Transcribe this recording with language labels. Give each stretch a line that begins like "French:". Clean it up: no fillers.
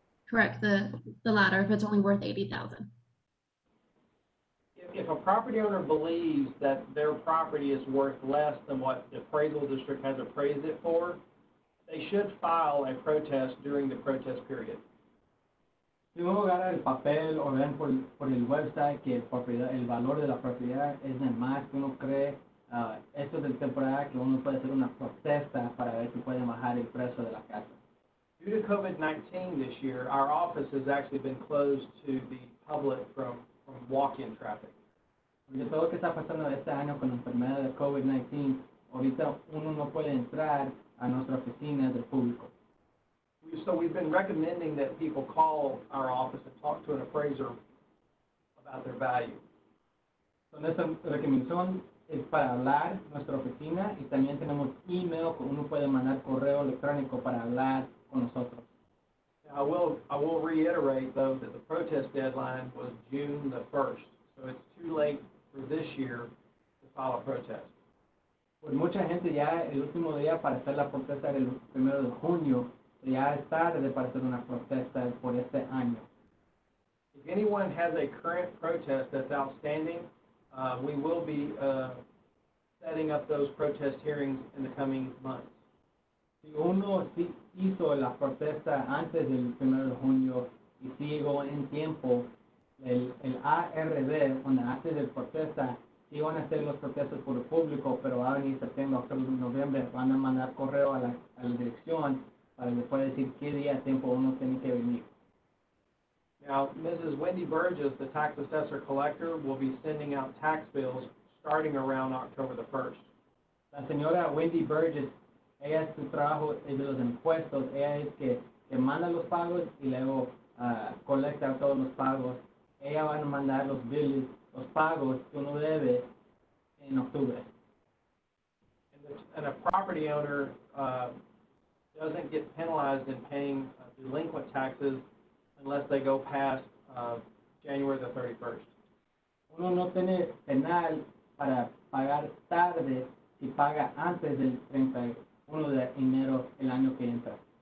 English: Correct, the latter, if it's only worth $80,000. If a property owner believes that their property is worth less than what the appraisal district has appraised it for, they should file a protest during the protest period.
Spanish: Si uno agarra el papel o ven por el website que el valor de la propiedad es de más que uno cree, esto es el temporada que uno puede hacer una protesta para ver si puede bajar el precio de la casa.
English: Due to COVID-19 this year, our office has actually been closed to the public from walk-in traffic.
Spanish: Porque todo lo que está pasando este año con la enfermedad de COVID-19, ahorita uno no puede entrar a nuestra oficina del público.
English: So we've been recommending that people call our office and talk to an appraiser about their value.
Spanish: So nuestra recomendación es para hablar a nuestra oficina, y también tenemos email que uno puede mandar correo electrónico para hablar.
English: I will reiterate, though, that the protest deadline was June the 1st, so it's too late for this year to file a protest.
Spanish: Pues mucha gente ya el último día para hacer la protesta era el primero de junio, ya es tarde para hacer una protesta por este año.
English: If anyone has a current protest that's outstanding, we will be setting up those protest hearings in the coming months.
Spanish: Si uno sí hizo la protesta antes del 1 de junio y sí llegó en tiempo, el ARD, cuando hace la protesta, sí van a hacer los protestos por el público, pero ahora en septiembre, octubre, noviembre, van a mandar correo a la dirección para después decir qué día de tiempo uno tiene que venir.
English: Now, Mrs. Wendy Burgess, the tax assessor collector, will be sending out tax bills starting around October the 1st.
Spanish: La señora Wendy Burgess, ella su trabajo es de los impuestos, ella es que manda los pagos y luego colecta todos los pagos. Ella va a mandar los bills, los pagos que uno debe en octubre.
English: And a property owner doesn't get penalized in paying delinquent taxes unless they go past January the 31st.
Spanish: Uno no tiene penal para pagar tarde si paga antes del 31 de enero el año que entra.